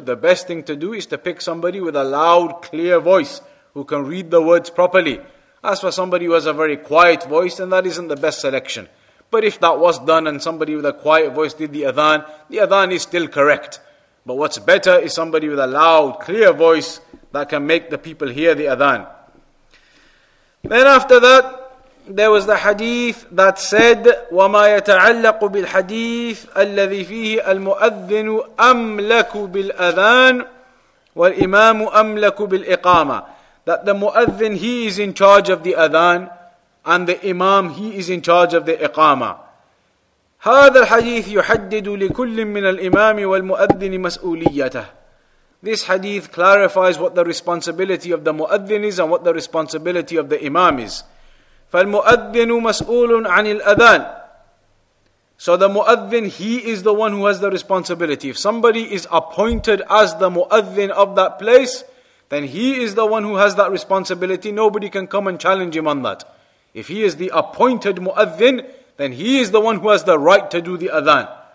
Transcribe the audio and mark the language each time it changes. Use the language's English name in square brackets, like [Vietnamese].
[English] The best thing to do is to pick somebody with a loud, clear voice who can read the words properly. As for somebody who has a very quiet voice, then that isn't the best selection. But if that was done and somebody with a quiet voice did the adhan is still correct. But what's better is somebody with a loud, clear voice that can make the people hear the adhan. Then after that, there was the hadith that said, [Arabic] وَمَا يَتَعَلَّقُ بِالْحَدِيثِ الَّذِي فِيهِ الْمُؤَذِّنُ أَمْلَكُ بِالْأَذَانِ وَالْإِمَامُ أَمْلَكُ بِالْإِقَامَةِ. [English] That the muadhin, he is in charge of the adhan, and the imam, he is in charge of the iqama. [Arabic] هذا الحديث يحدد لكل من الإمام والمؤذن مسؤوليته. [English] This hadith clarifies what the responsibility of the muadhin is and what the responsibility of the imam is. [Arabic] فالمؤذن مسؤول عن الأذان. [English] So the muadhin, he is the one who has the responsibility. If somebody is appointed as the muadhin of that place, then he is the one who has that responsibility. Nobody can come and challenge him on that. If he is the appointed muadhin, then he is the one who has the right to do the adhan.